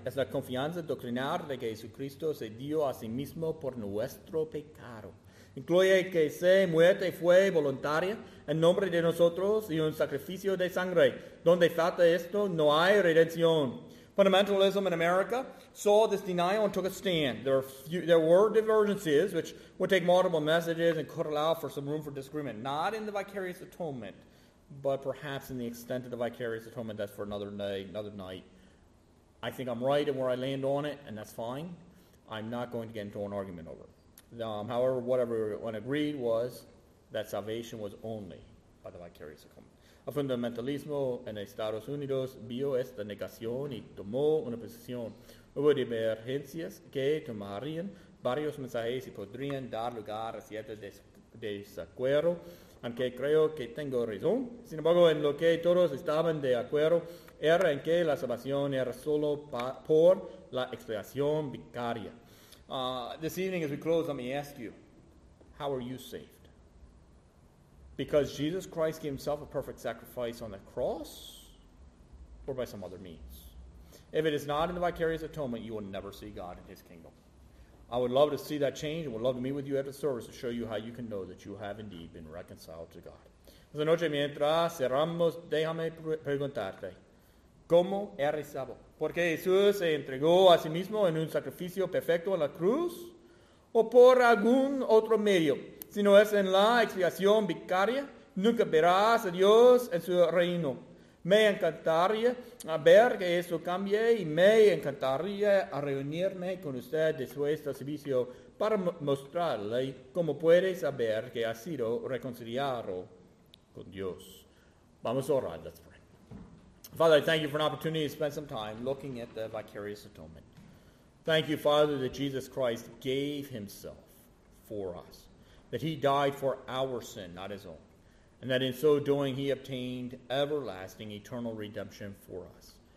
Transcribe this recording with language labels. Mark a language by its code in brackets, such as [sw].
[es] Es la confianza doctrinal de que Jesucristo se dio a sí mismo por nuestro pecado. Incluye que su muerte fue voluntaria en nombre de nosotros y un sacrificio de sangre. Donde falta esto, no hay redención. [en] Fundamentalism in America saw this denial and took a stand. There were divergences, which would take multiple messages and could allow for some room for disagreement. Not in the vicarious atonement, but perhaps in the extent of the vicarious atonement. That's for another day, another night. I think I'm right in where I land on it, and that's fine. I'm not going to get into an argument over it. However, what everyone agreed was that salvation was only by the vicarious atonement. [es] El fundamentalismo en Estados Unidos vio esta negación y tomó una posición. Hubo divergencias que tomarían varios mensajes y podrían dar lugar a cierto desacuerdo, aunque creo que tengo razón. Sin embargo, en lo que todos estaban de acuerdo era en que la salvación era solo por la expiación vicaria. [en] This evening, as we close, let me ask you, how are you saved? Because Jesus Christ gave himself a perfect sacrifice on the cross, or by some other means? If it is not in the vicarious atonement, you will never see God in his kingdom. I would love to see that change, and would love to meet with you at the service to show you how you can know that you have indeed been reconciled to God. [es] Esta noche, mientras cerramos, déjame preguntarte, ¿cómo eres salvo? ¿Porque Jesús se entregó a sí mismo en un sacrificio perfecto en la cruz? ¿O por algún otro medio? Si no es en la expiación vicaria, nunca verás a Dios en su reino. Me encantaría ver que eso cambie y me encantaría reunirme con usted después del servicio para mostrarle cómo puede saber que ha sido reconciliado con Dios. Vamos a orar. [en] Let's pray. Father, I thank you for an opportunity to spend some time looking at the vicarious atonement. Thank you, Father, that Jesus Christ gave himself for us, that he died for our sin, not his own, and that in so doing he obtained everlasting eternal redemption for us.